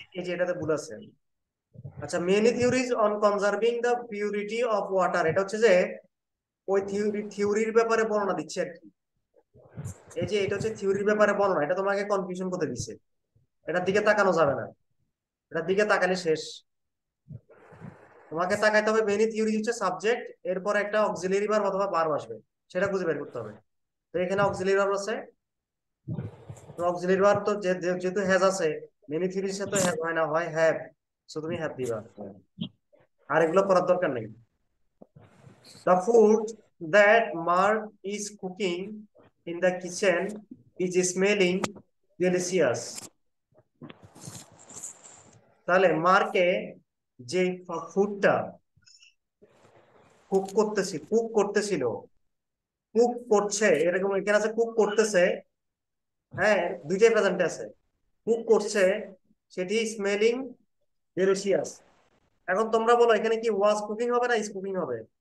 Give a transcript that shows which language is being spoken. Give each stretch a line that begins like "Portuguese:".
Bangla: এই যে এটাতে ভুল আছে, আচ্ছা
English: many theories on conserving the purity of water,
Bangla: এটা হচ্ছে যে ওই থিওরির ব্যাপারে বর্ণনা দিচ্ছে আর কি, এই যে এটা হচ্ছে থিওরির ব্যাপারে বর্ণনা, এটা তোমাকে কনফিউশন করে দিছে, এটার দিকে তাকানো যাবে না, এটার দিকে তাকালে শেষ, তোমাকে তাকাইতে হবে মেনি থিওরি হচ্ছে সাবজেক্ট, এরপর একটা অক্সিলিয়ারি ভার্ব অথবা ভার্ব আসবে সেটা খুঁজে বের করতে হবে। তো এখানে অক্সিলিয়ারি ভার্ব আছে, তো অক্সিলিয়ারি ভার্ব তো যেহেতু হ্যাজ আছে, মেনি থিওরির সাথে হ্যাজ হয় না, হয় হ্যাভ, সো তুমি হ্যাভ দিবা, আর এগুলো করার দরকার নেই।
English: The food that Mark is cooking in the kitchen is smelling delicious.
Bangla: তাহলে মার্কে যে ফুডটা কুক করতেছি কুক করতেছিল কুক করছে এরকম এখানে আছে কুক করতেছে হ্যাঁ দুইটাই প্রেজেন্ট আছে কুক করছে সেটি স্মেলিং ডেলিশিয়াস এখন তোমরা বলো এখানে কি ওয়াজ কুকিং হবে না ইজ কুকিং হবে